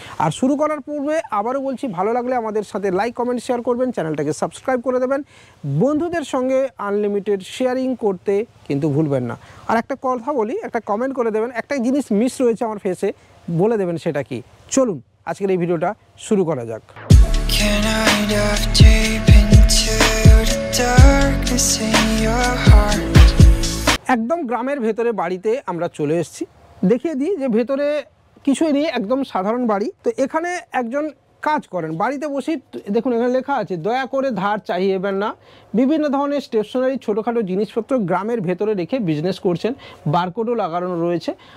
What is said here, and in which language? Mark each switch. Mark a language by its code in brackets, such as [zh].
[bn] আর শুরু করার পূর্বে আবারও বলছি, ভালো লাগলে আমাদের সাথে লাইক কমেন্ট শেয়ার করবেন, চ্যানেলটাকে সাবস্ক্রাইব করে দেবেন, বন্ধুদের সঙ্গে আনলিমিটেড শেয়ারিং করতে কিন্তু ভুলবেন না। আর একটা কথা বলি, একটা কমেন্ট করে দেবেন, একটা জিনিস মিস রয়েছে আমার ফেসে, বলে দেবেন সেটা কি। চলুন আজকের এই ভিডিওটা শুরু করা যাক। [en] Can I dive deep into the darkness in your heart? [bn] একদম গ্রামের ভেতরে বাড়িতে আমরা চলে এসেছি। দেখিয়ে দিই যে ভেতরে কিছুই নেই, একদম সাধারণ বাড়ি। তো এখানে একজন কাজ করেন, বাড়িতে বসেই দেখুন এখানে লেখা আছে, দয়া করে ধার চাইবেন না। বিভিন্ন ধরনের স্টেশনারি, ছোটোখাটো জিনিসপত্র গ্রামের ভেতরে রেখে বিজনেস করছেন, বারকোডও লাগানো রয়েছে।